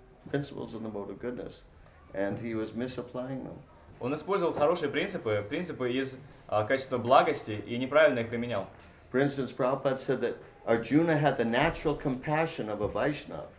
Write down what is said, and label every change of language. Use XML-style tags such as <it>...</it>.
<en>Principles of the mode of goodness, and he was misapplying them.</en> <ru>Он использовал хорошие принципы из качества благости и неправильно их применял.</ru> <en>For instance, Prabhupada said that Arjuna had the natural compassion of a Vaishnava.</en>